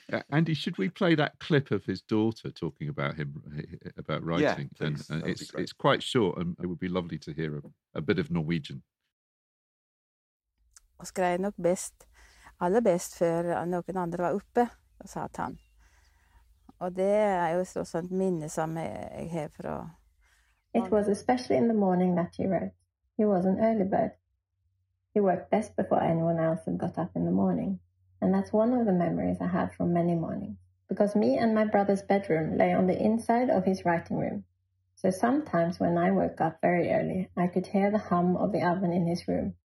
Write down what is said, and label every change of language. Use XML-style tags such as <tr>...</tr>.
<en>Andy, should we play that clip of his daughter talking about him, about writing? Yeah, please. And it's quite short, and it would be lovely to hear a bit of Norwegian.</en> <no>Å skrive nok best, aller best, før noen andre var oppe, sa han. Og det jo også et minne som jeg har fra.</no> <en>It was especially in the morning that he wrote. He was an early bird. He worked best before anyone else had got up in the morning. And that's one of the memories I have from many mornings. Because me and my brother's bedroom lay on the inside of his writing room. So sometimes when I woke up very early, I could hear the hum of the oven in his room.</en>